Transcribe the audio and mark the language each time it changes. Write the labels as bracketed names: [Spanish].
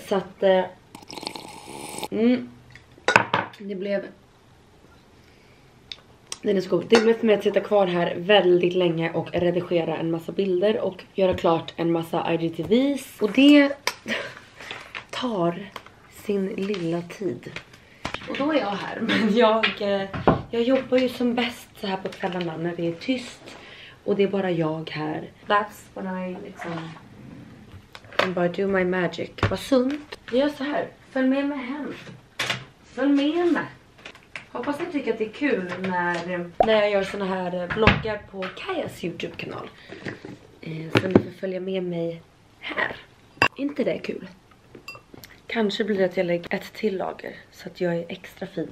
[Swedish] Så att det blev för mig att sitta kvar här väldigt länge och redigera en massa bilder. Och göra klart en massa IGTVs. Och det tar sin lilla tid. Och då är jag här, men jag jobbar ju som bäst så här på kvällarna när det är tyst och det är bara jag här. [English] That's when I liksom can bara do my magic. [Swedish] Vad sunt. Vi gör så här. Följ med mig hem. Följ med mig. Hoppas ni tycker att det är kul när jag gör såna här vloggar på CAIA's YouTube-kanal. Så ni får följa med mig här. Inte det är kul? Kanske blir det att jag lägger ett till lager så att jag är extra fin.